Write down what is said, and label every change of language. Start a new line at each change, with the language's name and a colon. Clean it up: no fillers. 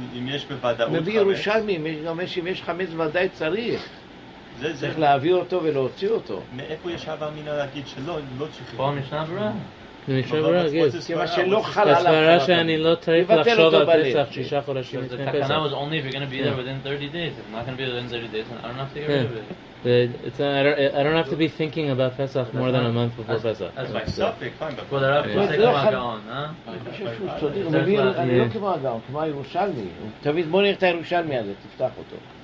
Hebrew: אם יש בוודאות חמץ. מביא ירושלמי, אומר שאם יש חמץ ודאי צריך. צריך להביא אותו ולהוציא אותו. מאיפה יש אבא מינה להגיד שלא, לא צריכים. פה משנה ברורה? הסברה שאני לא צריך לחשוב על פסח שישה חודשים לפני פסח.
English: That was only if you're going to be there within 30 days. If I'm not going to be there within 30 days, I don't have to get rid of it. I don't have to be thinking about Pesach more than a month before Pesach. That's my suffix, fine. But Rav, you say
Hebrew: כמו הגאון,
English: huh?
Hebrew: אני חושב שהוא צודק, אני לא כמו הגאון, כמו הירושלמי. תביא, בוא נראה את הירושלמי הזה, תפתח אותו.